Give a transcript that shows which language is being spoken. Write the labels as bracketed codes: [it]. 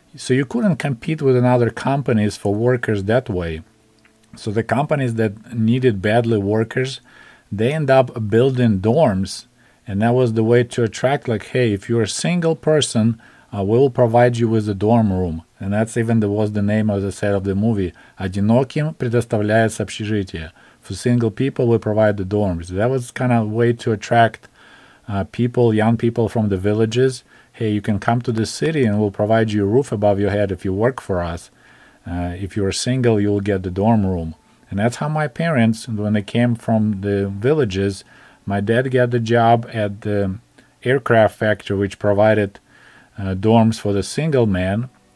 [en] So you couldn't compete with another companies for workers that way. So the companies that needed badly workers, they end up building dorms. And that was the way to attract, like, hey, if you're a single person, we'll provide you with a dorm room. And that's even was the name, as I said, of the movie. [ru] «Одиноким предоставляется общежитие». [en] For single people, we provide the dorms. That was kind of a way to attract people, young people from the villages. Hey, you can come to the city and we'll provide you a roof above your head if you work for us. If you're single, you'll get the dorm room. And that's how my parents, when they came from the villages, my dad got the job at the aircraft factory, which provided dorms for the single man.